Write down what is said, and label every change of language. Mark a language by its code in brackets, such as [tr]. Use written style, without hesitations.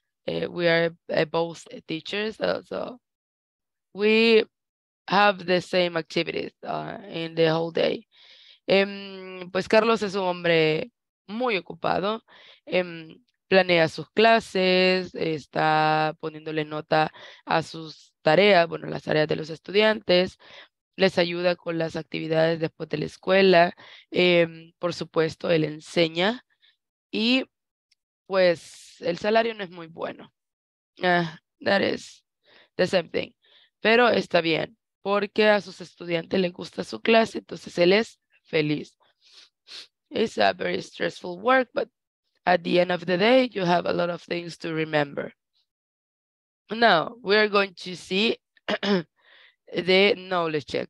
[en] We are both teachers, so we have the same activities in the whole day. [es] Pues Carlos es un hombre muy ocupado. Planea sus clases, está poniéndole nota a sus tareas, bueno, las tareas de los estudiantes, les ayuda con las actividades después de la escuela, por supuesto, él enseña, y pues el salario no es muy bueno. [en] That is the same thing. [es] Pero está bien, porque a sus estudiantes les gusta su clase, entonces él es feliz. [en] It's a very stressful work, but at the end of the day, you have a lot of things to remember. Now, we are going to see the knowledge check.